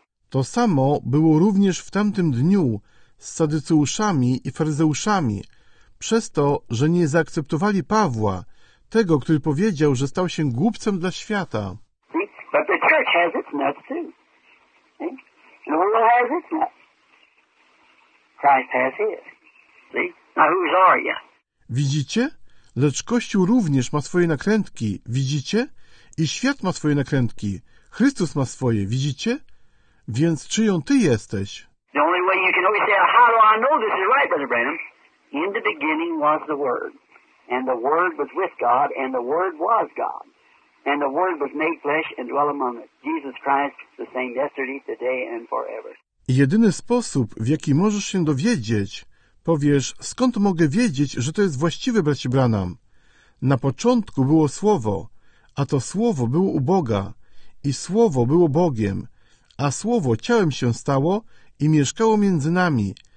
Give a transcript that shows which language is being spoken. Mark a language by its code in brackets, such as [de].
[pl] To samo było również w tamtym dniu z Sadyceuszami i Faryzeuszami, przez to, że nie zaakceptowali Pawła, tego, który powiedział, że stał się głupcem dla świata. [en] But the church has its nuts too. The world has its nuts. Christ has his. See? Now whose are you? [pl] Widzicie? Lecz Kościół również ma swoje nakrętki, widzicie? I świat ma swoje nakrętki. Chrystus ma swoje, widzicie? Więc czyją ty jesteś? [en] The only way you can always say, how do I know this is right, Brother Branham? In the beginning was the Word. And the Word was with God, and the Word was God. And the Word was made flesh and dwelt among us. Jesus Christ, the same yesterday, today and forever. [pl] Jedyny sposób, w jaki możesz się dowiedzieć, powiesz, skąd mogę wiedzieć, że to jest właściwy, bracie Branham? Na początku było Słowo, a to Słowo było u Boga, i Słowo było Bogiem, a Słowo ciałem się stało i mieszkało między nami.